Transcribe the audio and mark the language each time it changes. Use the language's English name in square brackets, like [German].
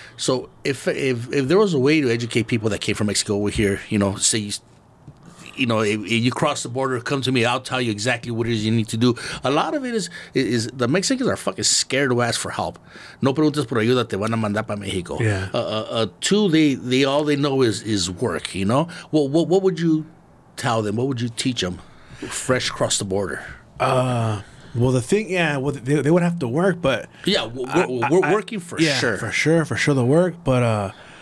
[English] So if there was a way to educate people that came from Mexico over here, you know, say if you cross the border, come to me, I'll tell you exactly what it is you need to do. A lot of it is the Mexicans are fucking scared to ask for help. [Spanish] No preguntas por ayuda, te van a mandar para Mexico. [English] Yeah. Two, they all they know is work, you know? Well, what would you tell them? What would you teach them fresh across the border? They would have to work, but... Yeah, we're working for sure. For sure the work, but...